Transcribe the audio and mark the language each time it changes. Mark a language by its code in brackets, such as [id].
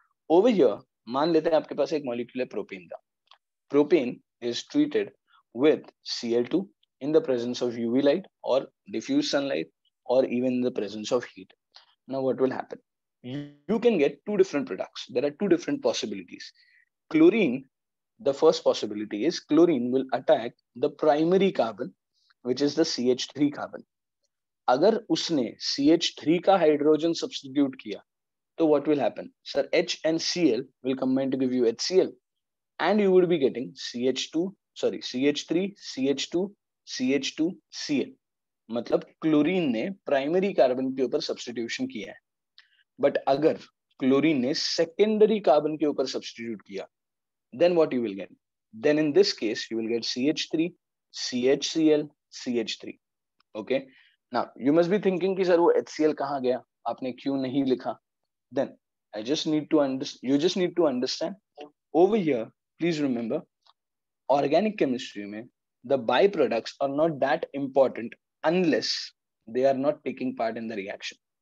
[en] Over here, [hi] maan lete hain aapke paas ek molecule hai propane ka. [en] Propane is treated with Cl2 in the presence of UV light or diffuse sunlight or even in the presence of heat. Now what will happen? You can get 2 different products. There are 2 different possibilities. Chlorine, the first possibility is chlorine will attack the primary carbon, which is the CH3 carbon. [hi] अगर उसने CH3 का hydrogen substitute किया तो [en] what will happen sir, H and Cl will combine to give you HCl, and you would be getting CH2 CH3 CH2 CH2 Cl, [hi] मतलब chlorine ने primary carbon के ऊपर substitution किया है. [en] but [hi] अगर क्लोरीन ने सेकेंडरी कार्बन के ऊपर सब्स्टिट्यूट किया, [en] Then what you will get, then in this case you will get CH3 CHCl CH3. Okay, now you must be thinking [hi] ki sir wo HCl kahan gaya, aapne kyun nahi likha, [en] then you just need to understand over here, please remember, organic chemistry [hi] mein [en] the byproducts are not that important unless they are not taking part in the reaction.